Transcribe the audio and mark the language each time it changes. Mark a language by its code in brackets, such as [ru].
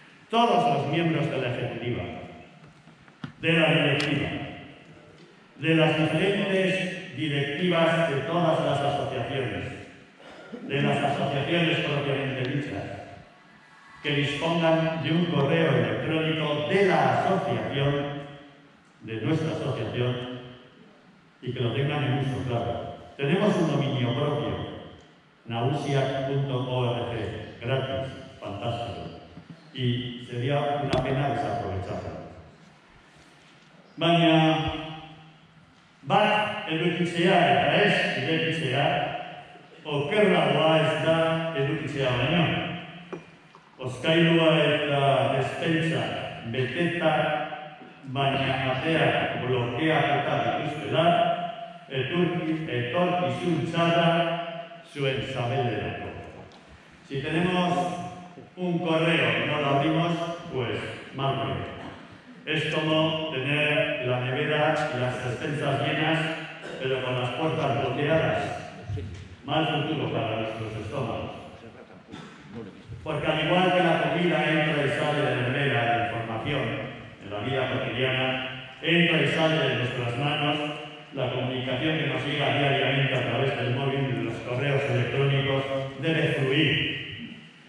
[es] Todos los miembros de la ejecutiva, de la directiva, de las diferentes directivas de todas las asociaciones, de las asociaciones propiamente dichas, que dispongan de un correo electrónico de la asociación, de nuestra asociación, y que lo tengan en uso, claro. Tenemos un dominio propio, nausia.org, gratis, fantástico, y sería una pena desaprovecharlo. [eu] Baina, bat edukitzea eta ez irekitzea, okerragoa ez da edukitzea baina. Oskailua eta despentsa beteta baina atea blokeatuta dituztela, etorkizun txarra zuen sabelerako. [es] Si tenemos un correo y no lo abrimos, pues mal rollo. Es como tener la nevera y las despensas llenas, pero con las puertas bloqueadas. Mal futuro para nuestros estómagos. Porque al igual que la comida entra y sale de la nevera de información, la vida cotidiana entra y sale de nuestras manos, la comunicación que nos llega diariamente a través del móvil, de los correos electrónicos, debe fluir.